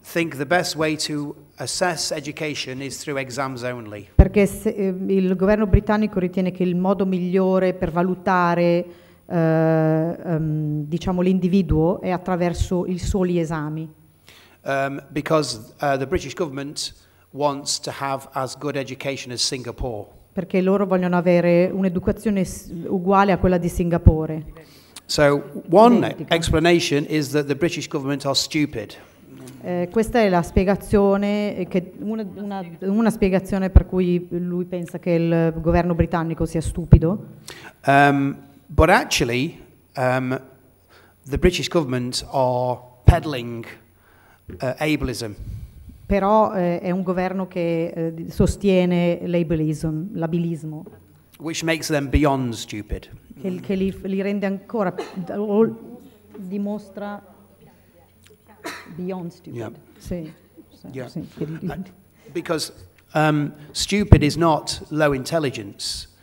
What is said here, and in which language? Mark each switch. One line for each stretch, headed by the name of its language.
English: Think the best way to assess education is through exams only.
Italian: Perché il governo britannico ritiene che il modo migliore per valutare diciamo l'individuo è attraverso i soli esami.
English: Because the British government wants to have as good education as Singapore.
Italian: Perché loro vogliono avere un'educazione uguale a quella di Singapore.
English: So one explanation is that the British government are stupid.
Italian: Questa è la spiegazione che una spiegazione per cui lui pensa che il governo britannico sia stupido.
English: But actually, the British government are peddling ableism.
Italian: Però è un governo che sostiene l'ableism, l'abilismo.
English: Which makes them beyond stupid.
Italian: Che li rende ancora, dimostra
English: beyond stupid. Yeah.
Italian: Sì.
English: Yeah. Sì. Because stupid is not low intelligence.